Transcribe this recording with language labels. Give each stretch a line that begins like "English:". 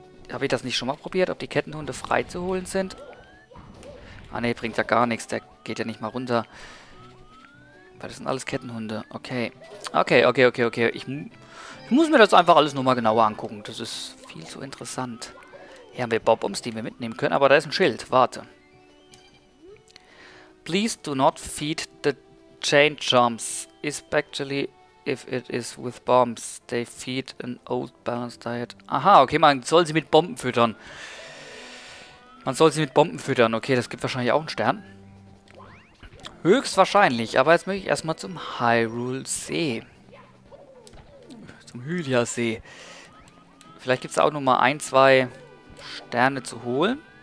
German: Habe ich das nicht schon mal probiert, ob die Kettenhunde freizuholen sind? Ah ne, bringt ja gar nichts. Der geht ja nicht mal runter. Weil das sind alles Kettenhunde. Okay. Okay, okay, okay, okay. Ich muss mir das einfach alles nochmal genauer angucken. Das ist viel zu interessant. Hier haben wir Bob-Oms, die wir mitnehmen können, aber da ist ein Schild. Warte.
English: Please do not feed the chain chomps, especially if it is with bombs. They feed an old balanced diet.
German: Aha, okay, man soll sie mit Bomben füttern. Man soll sie mit Bomben füttern. Okay, das gibt wahrscheinlich auch einen Stern. Höchstwahrscheinlich, aber jetzt möchte ich erstmal zum Hyrule See. Zum Hylia See. Vielleicht gibt es auch nochmal ein, zwei Sterne zu holen.